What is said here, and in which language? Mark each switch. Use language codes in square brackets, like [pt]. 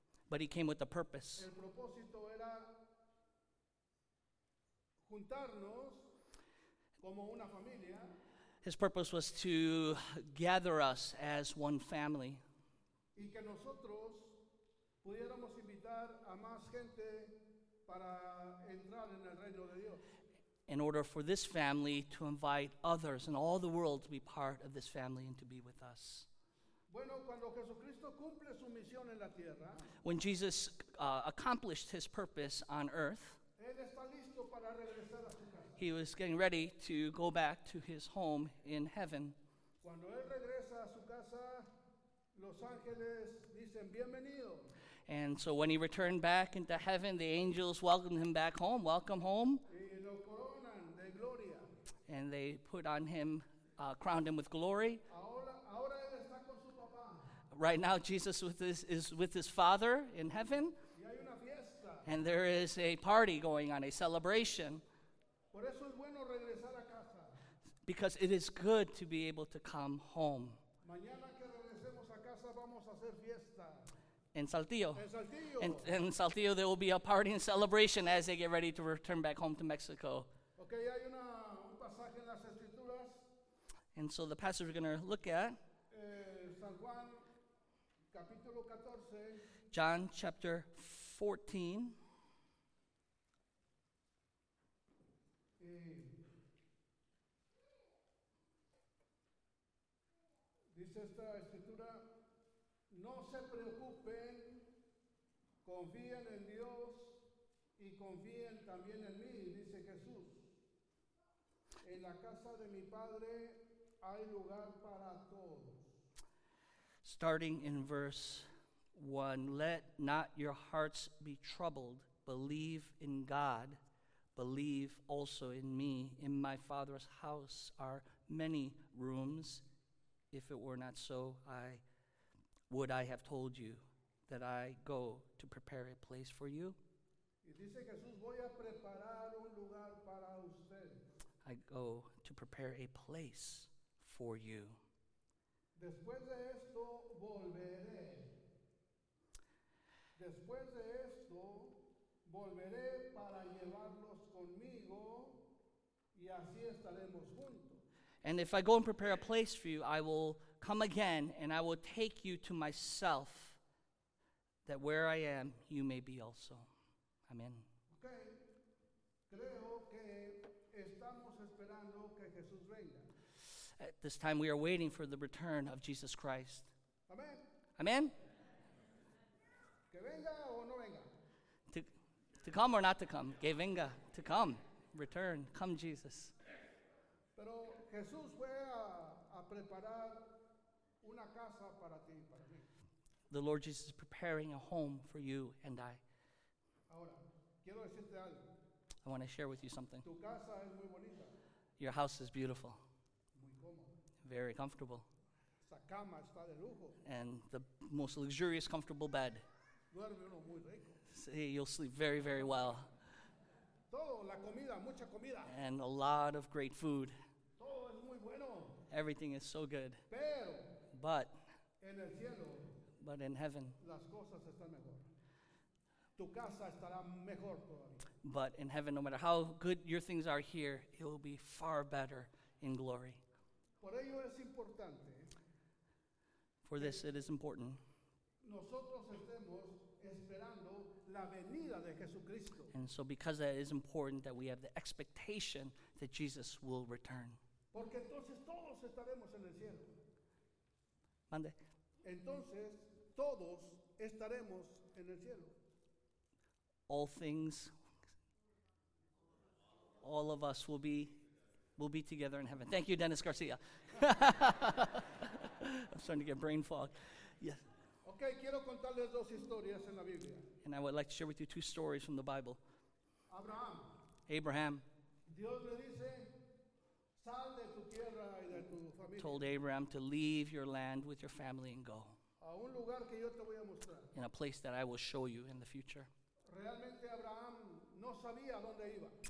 [en] But he came with a purpose. [es] El propósito era juntarnos como una familia. [en] His purpose was to gather us as one family. [es] Y que nosotros pudiéramos invitar a más gente para entrar en el reino de Dios. [en] In order for this family to invite others and all the world to be part of this family and to be with us. [es] Bueno, cuando Jesucristo cumple su misión en la tierra, [en] when Jesus accomplished his purpose on earth, [es] él está listo para regresar a su casa. [en] He was getting ready to go back to his home in heaven. [es] Cuando él regresa a su casa, los ángeles dicen bienvenido. [en] And so when he returned back into heaven, the angels welcomed him back home. Welcome home. [es] Y lo coronan de gloria. [en] And they put on him, crowned him with glory. [es] Ahora él está con su papá. [en] Right now, Jesus is with his Father in heaven. [es] Y hay una fiesta. [en] And there is a party going on, a celebration. [es] Por eso es bueno regresar a casa. [en] Because it is good to be able to come home. [es] Mañana que regresemos a casa, vamos a hacer fiesta. [en] In Saltillo. [es] En Saltillo. [en] In Saltillo, there will be a party and celebration as they get ready to return back home to Mexico. [es] Okay, hay un pasaje en las Escrituras. [en] And so the passage we're going to look at, [es] San Juan, capítulo 14. [en] John chapter 14. [es] Dice esta escritura, no se preocupen, confíen en Dios y confíen también en mí, dice Jesús. En la casa de mi Padre hay lugar para todos. [en] Starting in verse 1, let not your hearts be troubled, believe in God. Believe also in me. In my Father's house are many rooms. If it were not so, would I have told you that I go to prepare a place for you? [es] Y dice Jesús, voy a preparar un lugar para usted. [en] I go to prepare a place for you. [es] Después de esto, volveré. Después de esto, volveré para llevarlos conmigo y así estaremos juntos. [en] And if I go and prepare a place for you, I will come again and I will take you to myself, that where I am, you may be also. Amen. Okay. [es] Creo que estamos esperando que Jesús venga. [en] At this time, we are waiting for the return of Jesus Christ. Amen. Amen. [es] Que venga o no venga. [en] To come or not to come, [es] que venga, [en] to come, return, come Jesus. [es] Pero Jesús fue a preparar una casa para ti y para mí. [en] The Lord Jesus is preparing a home for you and I. [es] Ahora, quiero decirte algo. [en] I want to share with you something. [es] Tu casa es muy bonita. [en] Your house is beautiful. [es] Muy cómodo. [en] Very comfortable. [es] Esa cama está de lujo. [en] And the most luxurious, comfortable bed. [es] Duerme uno muy rico. [en] See, you'll sleep very, very well. [es] Todo, la comida, mucha comida. [en] And a lot of great food. [es] Todo es muy bueno. [en] Everything is so good. [es] Pero, [en] but, [es] en el cielo, [en] but in heaven, [es] las cosas están mejor. Tu casa estará mejor todavía. [en] But in heaven, no matter how good your things are here, it will be far better in glory. [es] Por ello es importante. [en] For this, it is important. [es] Nosotros estemos esperando la venida de Jesucristo. [en] And so because that is important that we have the expectation that Jesus will return. [es] Porque entonces todos estaremos en el cielo. Mande. Entonces todos estaremos en el cielo. [en] All things, all of us will be together in heaven. Thank you, Dennis Garcia. I'm starting to get brain fog. Yes. [es] Okay, quiero contarles dos historias en la Biblia. [en] And I would like to share with you two stories from the Bible. [es] Abraham. Dios le dice, sal de tu tierra y de tu familia. [en] Told Abraham to leave your land with your family and go. [es] A un lugar que yo te voy a mostrar. [en] In a place that I will show you in the future. [es] Realmente Abraham no sabía dónde iba.